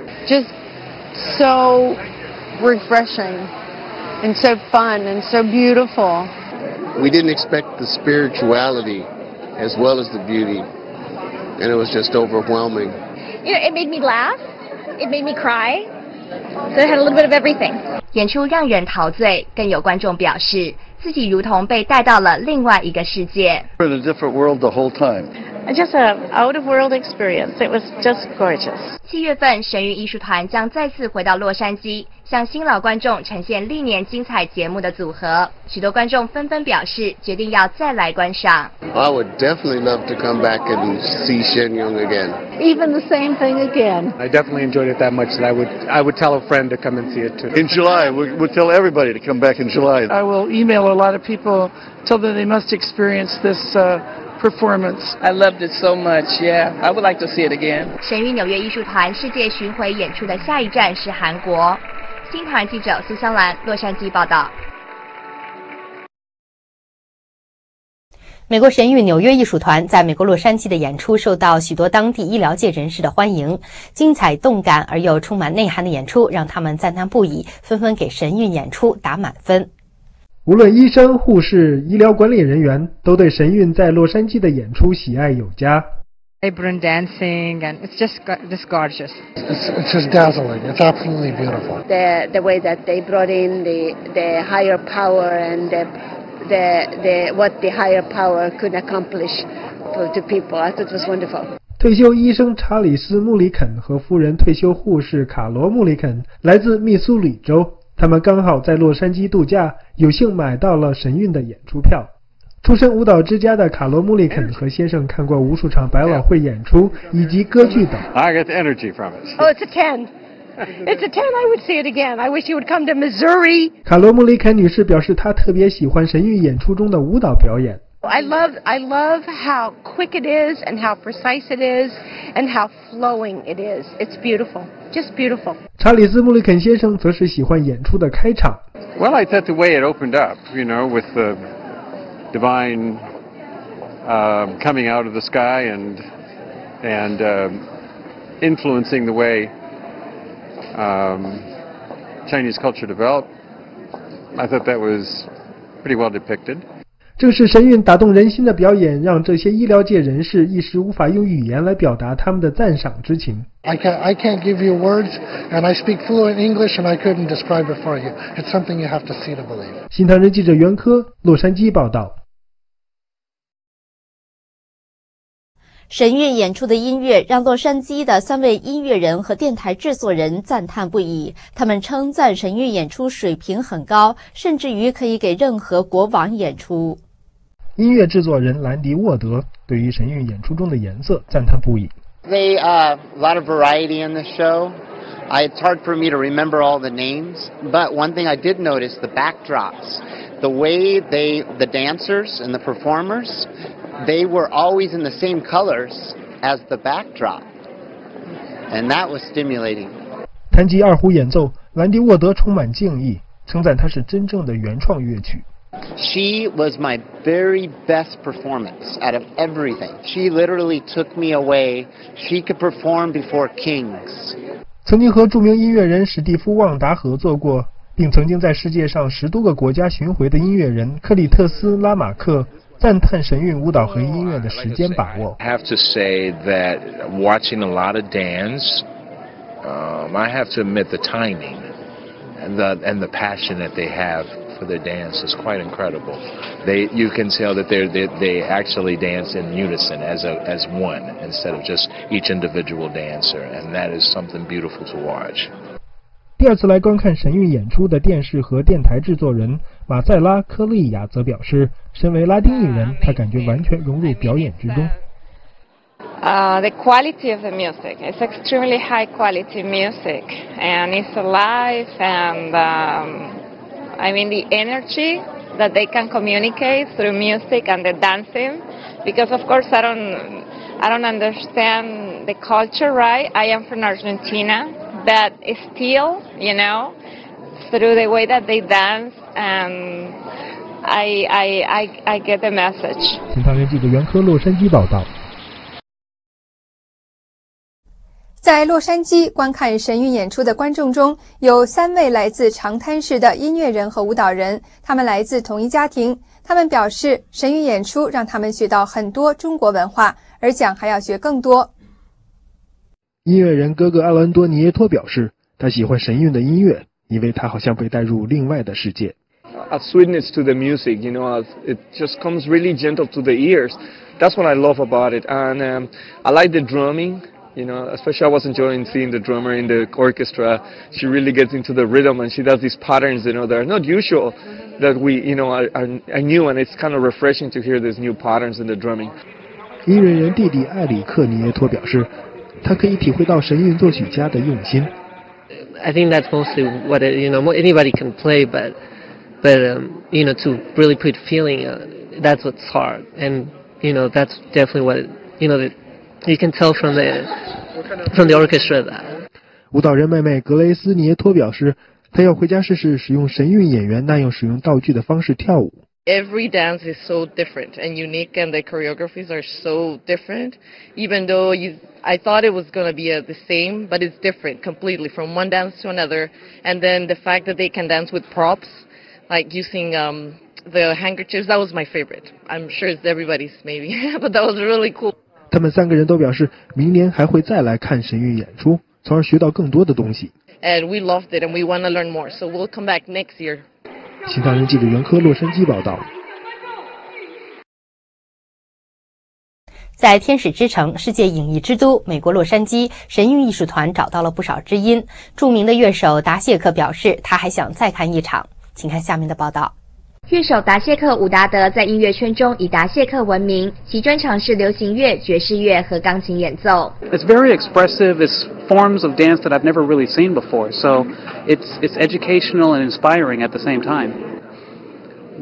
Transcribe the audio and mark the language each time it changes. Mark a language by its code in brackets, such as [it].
[en] Just so refreshing and so fun and so beautiful. We didn't expect the spirituality. As well as the beauty, and it was just overwhelming. It made me laugh. It made me cry. So it had a little bit of everything. [zh] 演出让人陶醉，更有观众表示自己如同被带到了另外一个世界。 [en] We're in a different world the whole time. Just an out of world experience. It was just gorgeous. [zh] 七月份，神韵艺术团将再次回到洛杉矶，向新老观众呈现历年精彩节目的组合。许多观众纷纷表示决定要再来观赏。 [en] I would definitely love to come back and see Shen Yun again. Even the same thing again. I definitely enjoyed it that much that I would tell a friend to come and see it too. In July, we'll tell everybody to come back in July. I will email a lot of people, tell them they must experience this performance. I loved it so much, yeah. I would like to see it again. [zh] 神韵纽约艺术团世界巡回演出的下一站是韩国。新唐人记者苏香兰，洛杉矶报道。美国神韵纽约艺术团在美国洛杉矶的演出受到许多当地医疗界人士的欢迎，精彩动感而又充满内涵的演出让他们赞叹不已，纷纷给神韵演出打满分。无论医生、护士、医疗管理人员都对神韵在洛杉矶的演出喜爱有加。 [en] vibrant dancing, and it's just gorgeous. It's just dazzling. It's absolutely beautiful. The way that they brought in the higher power and the what the higher power could accomplish for the people, I thought it was wonderful. [zh] 退休医生查理斯·穆里肯和夫人退休护士卡罗·穆里肯来自密苏里州，他们刚好在洛杉矶度假，有幸买到了神韵的演出票。出身舞蹈之家的卡罗·穆里肯和先生看过无数场百老汇演出以及歌剧等。 [en] I get the energy from it. Oh, it's a 10. It's a 10. I would see it again. I wish you would come to Missouri. [zh] 卡罗·穆里肯女士表示，她特别喜欢神韵演出中的舞蹈表演。 [en] I love how quick it is and how precise it is and how flowing it is. It's beautiful, just beautiful. [zh] 查理斯·穆里肯先生则是喜欢演出的开场。 [en] Well, I thought the way it opened up, you know, with the divine coming out of the sky and influencing the way Chinese culture developed, I thought that was pretty well depicted. [zh] 正是神韵打动人心的表演，让这些医疗界人士一时无法用语言来表达他们的赞赏之情。 [en] I can't give you words, and I speak fluent English, and I couldn't describe it for you. It's something you have to see to believe. [zh] 新唐人记者袁科，洛杉矶报道。神韵演出的音乐让洛杉矶的三位音乐人和电台制作人赞叹不已，他们称赞神韵演出水平很高，甚至于可以给任何国王演出。音乐制作人兰迪沃德对于神韵演出中的颜色赞叹不已。 [en] They have a lot of variety in the show. It's hard for me to remember all the names, but one thing I did notice, the backdrops, the way the dancers and the performers,They were always in the same colors as the backdrop, and that was stimulating. [zh] 弹吉二胡演奏，兰迪沃德充满敬意，称赞它是真正的原创乐曲。 [en] She was my very best performance out of everything. She literally took me away. She could perform before kings. [zh] 曾经和著名音乐人史蒂夫·旺达合作过，并曾经在世界上十多个国家巡回的音乐人克里特斯·拉马克。赞叹神韵舞蹈和音乐的时间把握。 [en] I have to say that watching a lot of dance, I have to admit the timing and the passion that they have for their dance is quite incredible. You can tell that they actually dance in unison as one instead of just each individual dancer, and that is something beautiful to watch. [zh] 第二次来观看神韵演出的电视和电台制作人。马塞拉·科利亚则表示，身为拉丁裔人，他感觉完全融入表演之中。 [en] The quality of the music is extremely high quality music, and it's alive, and the energy that they can communicate through music and the dancing, because of course I don't understand the culture, right? I am from Argentina, but still, you know, through the way that they dance. I get the message. [zh] 新唐人记者袁科，洛杉矶报道。在洛杉矶观看神韵演出的观众中，有三位来自长滩市的音乐人和舞蹈人，他们来自同一家庭。他们表示，神韵演出让他们学到很多中国文化，而奖还要学更多。音乐人哥哥艾伦多尼耶托表示，他喜欢神韵的音乐。因为他好像被带入另外的世界。 [en] A sweetness to the music, you know, it just comes really gentle to the ears. That's what I love about it. And I like the drumming, you know, especially I was enjoying seeing the drummer in the orchestra. She really gets into the rhythm and she does these patterns, you know, that are not usual that we, you know, are new. And it's kind of refreshing to hear these new patterns in the drumming. [zh] 音乐人弟弟艾里克尼耶托表示，他可以体会到神韵作曲家的用心。 [en] I think that's mostly what it, you know, anybody can play, you know, to really put feeling, that's what's hard. And, you know, that's definitely what, you know, you can tell from the orchestra that. [zh] 舞蹈人妹妹格雷斯·尼耶托表示，她要回家试试使用神韵演员那样使用道具的方式跳舞。 [en] Every dance is so different and unique, and the choreographies are so different. Even though I thought it was going to be the same, but it's different completely from one dance to another. And then the fact that they can dance with props, like using the handkerchiefs, that was my favorite. I'm sure it's everybody's maybe, but that was really cool. [zh] 他们三个人都表示明年还会再来看神韵演出，从而学到更多的东西。 [en] And we loved it and we want to learn more, so we'll come back next year. [zh] 新唐人记者袁科洛杉矶报道。在天使之城，世界影艺之都美国洛杉矶，神韵艺术团找到了不少知音。著名的乐手达谢克表示他还想再看一场，请看下面的报道。乐手达谢克伍达德在音乐圈中以达谢克闻名，其专长是流行乐、爵士乐和钢琴演奏。 [en] It's very expressive. It's forms of dance that I've never really seen before. So it's educational and inspiring at the same time.